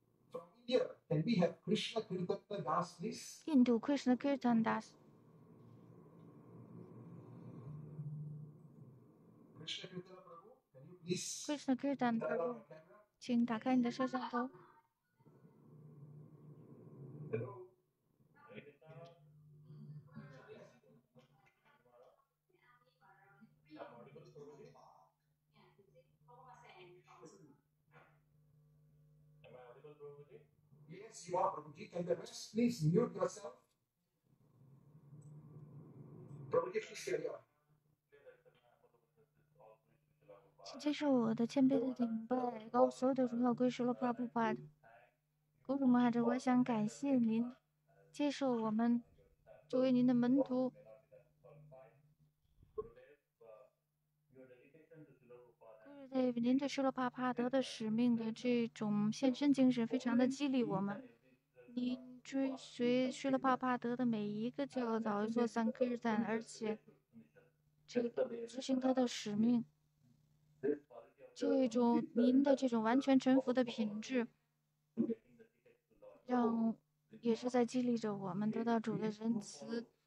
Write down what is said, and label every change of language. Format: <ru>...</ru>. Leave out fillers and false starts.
<en>From India, can we have Krishna Kirtan Das, please? Hindu Krishna Kirtan Das. Krishna Kirtan Prabhu, can you please?</en> <zh>Krishna Kirtan Prabhu, 请打开你的摄像头。</zh> <en>Hello. You are, Prabhuji, and the rest, please mute yourself. Prabhuji, please carry on. This is my humble obeisance to all the Guru Prabhupada. Guru Maharaj, I want to thank you.</en> <zh>对您的舍勒帕帕德的使命的这种献身精神非常的激励我们，您追随舍勒帕帕德的每一个教导做三科日赞，而且这个执行他的使命，这种您的这种完全臣服的品质让也是在激励着我们得到主的仁慈。</zh>